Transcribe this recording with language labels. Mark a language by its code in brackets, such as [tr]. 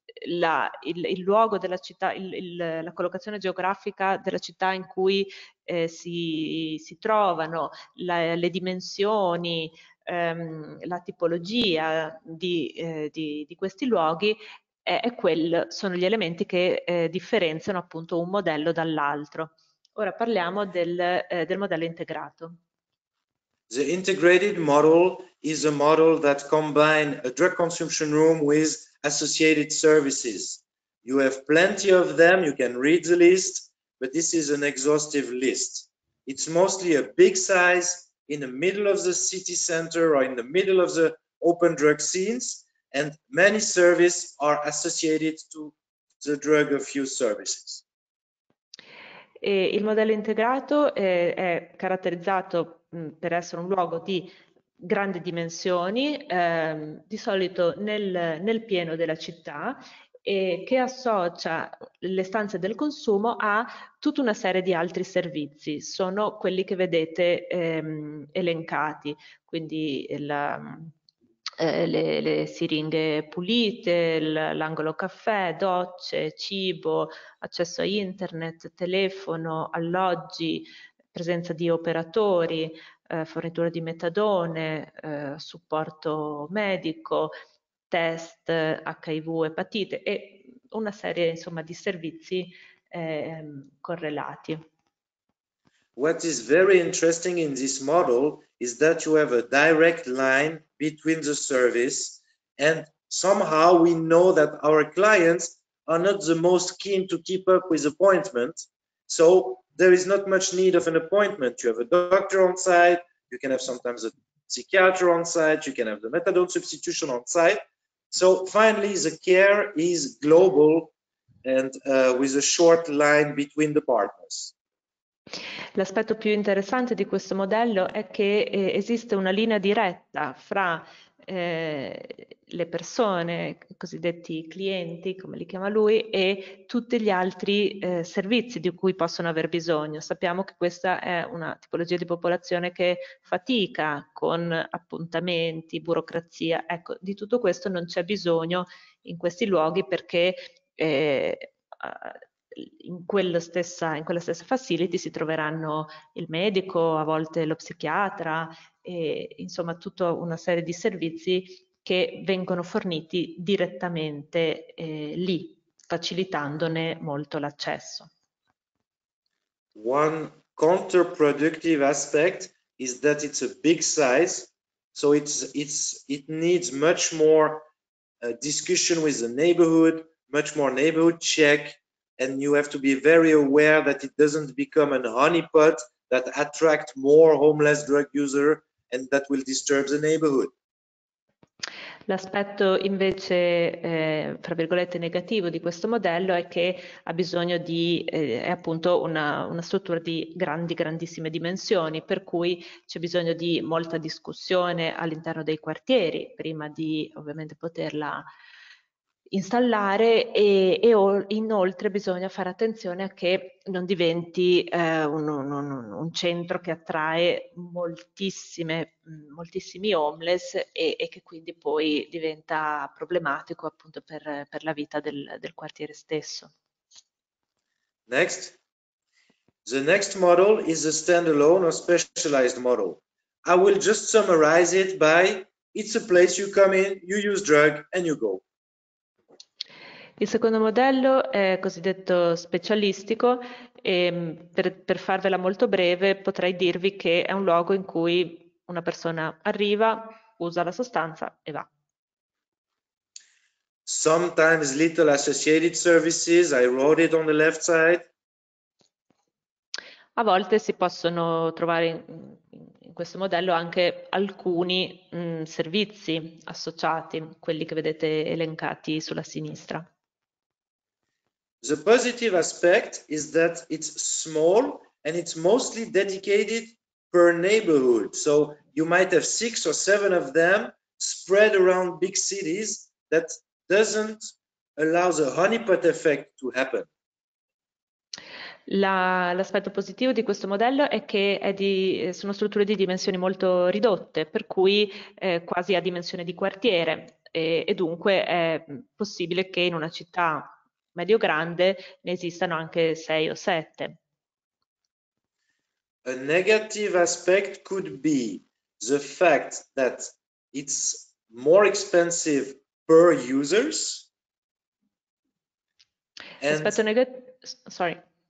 [it] il luogo della città, la collocazione geografica della città in cui si trovano, le dimensioni, la tipologia di questi luoghi, sono gli elementi che differenziano appunto un modello dall'altro. Ora parliamo del modello integrato. [en] The integrated model is a model that combines a drug consumption room with associated services. You have plenty of them, you can read the list, but this is an exhaustive list. It's mostly a big size in the middle of the city center or in the middle of the open drug scenes, and many services are associated to the drug of use services. [it] E il modello integrato è caratterizzato per essere un luogo di grandi dimensioni, di solito nel pieno della città, e che associa le stanze del consumo a tutta una serie di altri servizi, sono quelli che vedete elencati, quindi le siringhe pulite, l'angolo caffè, docce, cibo, accesso a internet, telefono, alloggi, presenza di operatori, fornitura di metadone, supporto medico, test HIV, epatite e una serie, insomma, di servizi correlati. [en] What is very interesting in this model is that you have a direct line between the service, and somehow we know that our clients are not the most keen to keep up with appointments, so there is not much need of an appointment. You have a doctor on site, you can have sometimes a psychiatrist on site, you can have the methadone substitution on site. So finally, the care is global and with a short line between the partners. [it] L'aspetto più interessante di questo modello è che esiste una linea diretta fra le persone, i cosiddetti clienti, come li chiama lui, e tutti gli altri servizi di cui possono aver bisogno. Sappiamo che questa è una tipologia di popolazione che fatica con appuntamenti, burocrazia. Ecco, di tutto questo non c'è bisogno in questi luoghi perché in quella stessa facility si troveranno il medico, a volte lo psichiatra, e insomma tutta una serie di servizi che vengono forniti direttamente lì, facilitandone molto l'accesso. [en] One counterproductive aspect is that it's a big size, so it needs much more discussion with the neighborhood, much more neighborhood check, and you have to be very aware that it doesn't become a honeypot that attracts more homeless drug user and that will disturb the neighborhood. [it] L'aspetto invece, fra virgolette, negativo di questo modello è che ha bisogno di, è appunto una struttura di grandi, grandissime dimensioni, per cui c'è bisogno di molta discussione all'interno dei quartieri, prima di ovviamente poterla installare e inoltre bisogna fare attenzione a che non diventi un centro che attrae moltissimi homeless e che quindi poi diventa problematico appunto per la vita del quartiere stesso. [en] Next. The next model is a standalone or specialized model. I will just summarize it by it's a place you come in, you use drug and you go. [it] Il secondo modello è cosiddetto specialistico e per farvela molto breve potrei dirvi che è un luogo in cui una persona arriva, usa la sostanza e va. [en] Sometimes little associated services, I wrote it on the left side. [it] A volte si possono trovare in questo modello anche alcuni servizi associati, quelli che vedete elencati sulla sinistra. [en] The positive aspect is that it's small and it's mostly dedicated per neighborhood. So you might have six or seven of them spread around big cities that doesn't allow the honeypot effect to happen. [it] L'aspetto positivo di questo modello è che sono strutture di dimensioni molto ridotte, per cui quasi a dimensione di quartiere, e dunque è possibile che in una città medio-grande ne esistano anche 6 o 7. [en] A negative aspect could be the fact that it's more expensive per users. [it] L'aspetto negativo è